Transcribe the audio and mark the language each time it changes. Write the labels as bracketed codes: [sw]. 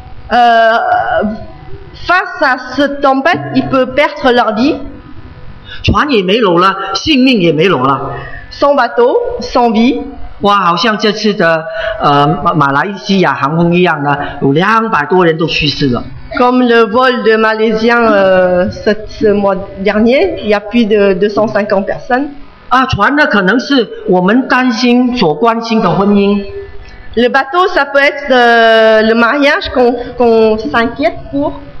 [fr] Face à cette tempête, ils peuvent perdre leur vie. [zh] 船也没有了，性命也没有了。 [fr] Sans bateau, sans vie. [zh] 哇，好像这次的马来西亚航空一样呢，有200多人都去世了。 [fr] Comme le vol de Malaisien ce mois dernier, il y a plus de 250 personnes. [zh] 啊，船呢，可能是我们担心所关心的婚姻。 [fr] Le bateau, ça peut être le mariage qu'on s'inquiète pour.